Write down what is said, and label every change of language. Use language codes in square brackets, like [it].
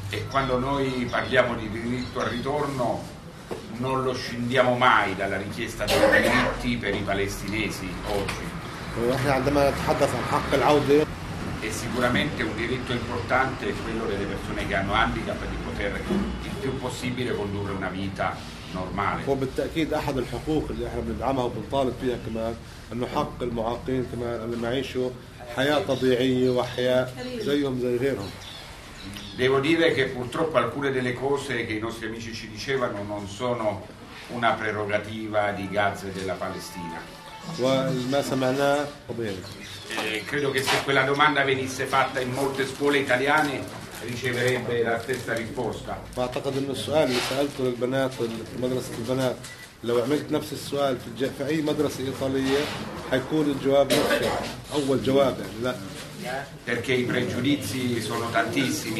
[it] E quando noi parliamo di diritto al ritorno non lo scindiamo mai dalla richiesta dei diritti per i palestinesi oggi. E sicuramente un diritto importante è quello delle persone che hanno handicap di poter il più possibile condurre una vita normale. [ar] وبالتأكيد أحد الحقوق اللي إحنا بندعمها وبنطالب فيها كمان إنه حق المعاقين كمان اللي يعيشوا حياة طبيعية وحياة زيهم زي غيرهم. [it] Devo dire che purtroppo alcune delle cose che i nostri amici ci dicevano non sono una prerogativa di Gaza e della Palestina. [ar] وما سمعناه طبيعي. [it] Credo che se quella domanda venisse fatta in molte scuole italiane riceverebbe la stessa risposta. [ar] Ma أعتقد إنه السؤال اللي سألته للبنات في مدرسة البنات لو عملت نفس السؤال في أي مدرسة إيطالية هيكون الجواب نفسه أول جواب يعني لا. [it] Perché i pregiudizi sono tantissimi.